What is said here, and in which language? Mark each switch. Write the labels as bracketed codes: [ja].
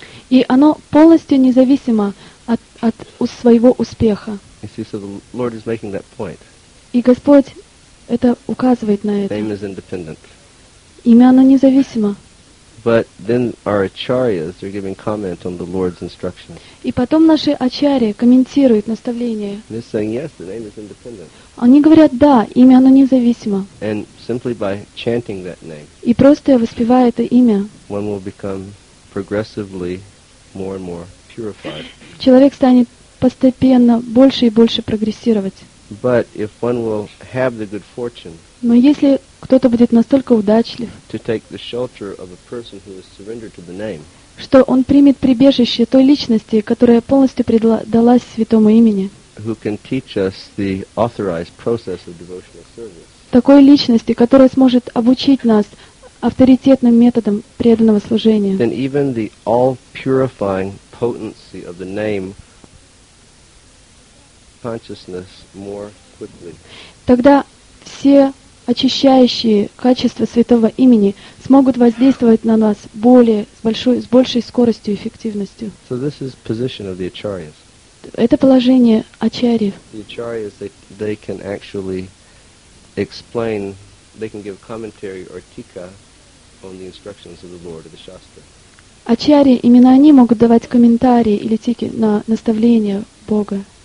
[ru] И оно полностью независимо от своего успеха. [en] So the Lord is making that point. [ru] И Господь это указывает на это. [en] Name is independent. [ru] Имя оно независимо. [en] But then our acharyas are giving comment on the Lord's instructions. [ru] И потом наши ачарьи комментируют наставление. [en] They're saying yes, the name is independent. [ru] Они говорят да, имя оно независимо. [en] And simply by chanting that name. [ru] И просто воспевая это имя. [en] One will become progressively more and more purified. [ru] Человек станет постепенно больше и больше прогрессировать. [en] But if one will have the good fortune. [ru] Но если кто-то будет настолько удачлив, [en] to take the shelter of a person who has surrendered to the name, [ru] что он примет прибежище той личности, которая полностью предалась святому имени, [en] who can teach us the authorized process of devotional service, [ru] такой личности, которая сможет обучить нас авторитетным методам преданного служения, [en] then even the all-purifying potency of the name consciousness more quickly. [ru] Тогда все очищающие качества святого имени смогут воздействовать на нас более, с большей скоростью и эффективностью. [en] So this is position of the acharyas. [ru] Это положение ачарьев. [en] The acharyas, they can actually explain, they can give commentary or tika on the instructions of the Lord or the Shastra. [ru] Ачарьи, именно они могут давать комментарии или тики на наставления Бога.